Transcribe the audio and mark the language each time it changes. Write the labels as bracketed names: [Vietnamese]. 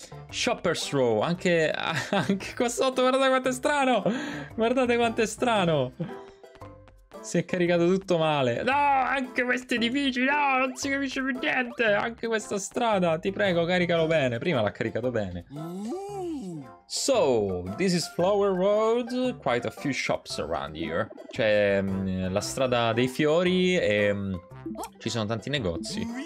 [Italian] Shopper's Row, anche qua sotto, guardate quanto è strano! Guardate quanto è strano! Si è caricato tutto male. No, anche questi edifici, no, non si capisce più niente! Anche questa strada, ti prego, caricalo bene. Prima l'ha caricato bene. [English] So, this is Flower Road, quite a few shops around here. [Italian] C'è la strada dei fiori e ci sono tanti negozi.